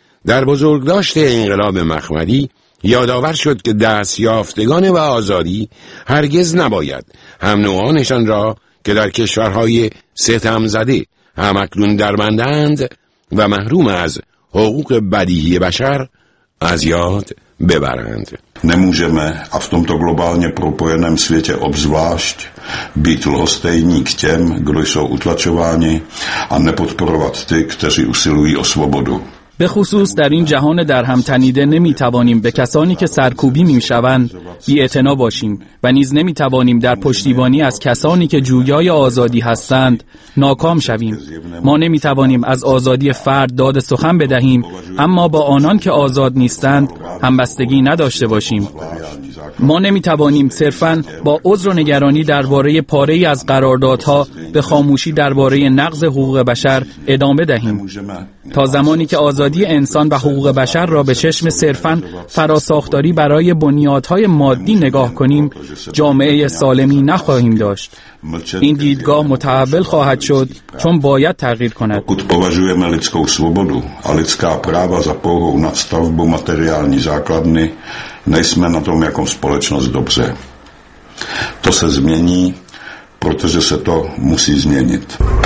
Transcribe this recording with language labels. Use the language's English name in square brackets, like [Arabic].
[Persian] در بزرگداشت انقلاب مخملی یادآور شد که دست یافتگان و آزادی هرگز نباید هم نوعانشان را که در کشورهای ستم زده هم اکنون درمندند و محروم از حقوق بدیهی بشر از یاد ببرند. [Czech] Nemůžeme a v tomto globálně propojeném světě obzvlášť být lhostejní k těm, kdo jsou utlačováni a nepodporovat ty, kteří usilují o svobodu. [Persian] به خصوص در این جهان در هم تنیده نمی توانیم به کسانی که سرکوبی می شوند بی اعتنا باشیم و نیز نمی توانیم در پشتیبانی از کسانی که جویای آزادی هستند ناکام شویم. ما نمی توانیم از آزادی فرد داد سخن بدهیم اما با آنان که آزاد نیستند همبستگی نداشته باشیم. ما نمی توانیم صرفاً با عذر و نگرانی درباره پاره ای از قراردادها به خاموشی درباره نقض حقوق بشر ادامه دهیم. تا زمانی که آزادی انسان و حقوق بشر را به چشم صرفاً فراساختاری برای بنیادهای مادی نگاه کنیم، جامعه سالمی نخواهیم داشت. این دیدگاه متحول خواهد شد چون باید تغییر کند. [Czech] Pokud považujeme lidskou svobodu a lidská práva za pouhou nadstavbu materiální základny, nejsme na tom jako společnost dobře. To se změní, protože se to musí změnit.